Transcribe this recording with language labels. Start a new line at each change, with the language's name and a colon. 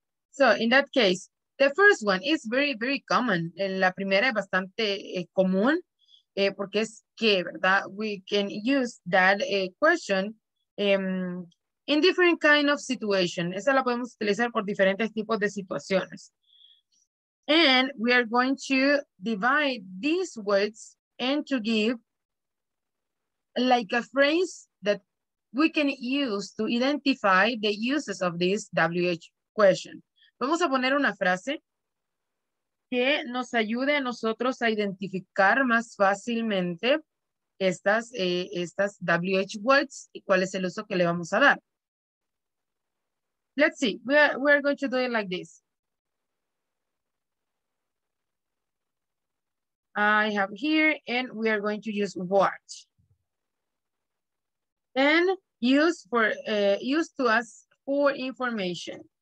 English: So, in that case, the first one is very, very common.
Spanish: La primera es bastante común porque es qué, ¿verdad?
English: We can use that question in different kind of situation.
Spanish: Esa la podemos utilizar por diferentes tipos de situaciones.
English: And we are going to divide these words and to give like a phrase that we can use to identify the uses of this WH question.
Spanish: Vamos a poner una frase que nos ayude a nosotros a identificar más fácilmente estas WH words y cuál es el uso que le vamos a dar.
English: Let's see, we are going to do it like this. I have here and we are going to use what. And use to ask for information.